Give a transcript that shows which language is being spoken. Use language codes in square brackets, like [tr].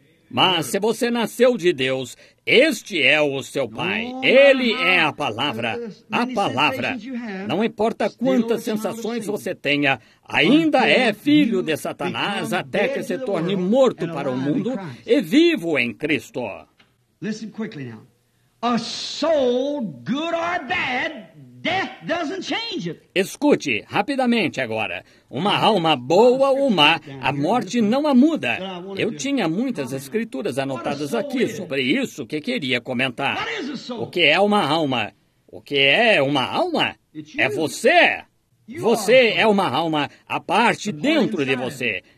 [pt] Mas se você nasceu de Deus, este é o seu pai. Ele é a palavra. A palavra. Não importa quantas sensações você tenha, ainda é filho de Satanás até que se torne morto para o mundo e vivo em Cristo. [en] Listen quickly now. A soul, good or bad, death doesn't change it. [pt] Escute rapidamente agora. Uma alma boa ou má, a morte não a muda. Eu tinha muitas escrituras anotadas aqui sobre isso que queria comentar. O que é uma alma? O que é uma alma? É você. Você é uma alma, a parte dentro de você.